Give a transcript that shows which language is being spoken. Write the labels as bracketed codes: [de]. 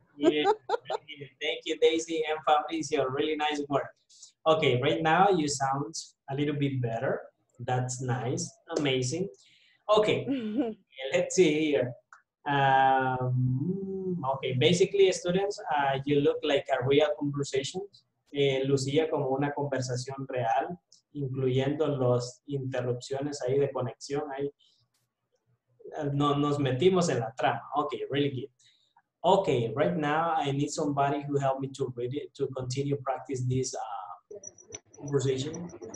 [en] Yeah. Thank you, Daisy and Fabrizio. Really nice work. Okay, right now you sound a little bit better. That's nice. Amazing. Okay, let's see here. Okay, basically, students, you look like a real conversation. [es] Lucía como una conversación real, incluyendo las interrupciones ahí de conexión. Ahí. No, nos metimos en la trama. [en] Okay, really good. Okay, right now I need somebody who help me to read it, to continue practice this conversation.